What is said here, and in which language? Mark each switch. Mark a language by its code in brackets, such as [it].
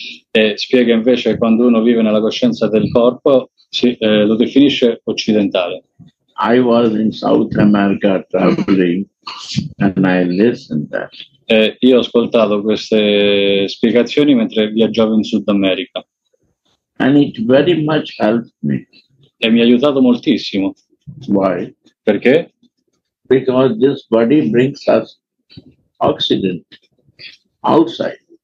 [it] E spiega invece che quando uno vive nella coscienza del corpo lo definisce occidentale. [en] I was in South America traveling and I listened that. [it] Io ho ascoltato queste spiegazioni mentre viaggiavo in Sud America. [en] And it very much helped me. [it] E mi ha aiutato moltissimo. [en] Why? [it] Perché? [en] Because this body brings us oxygen outside.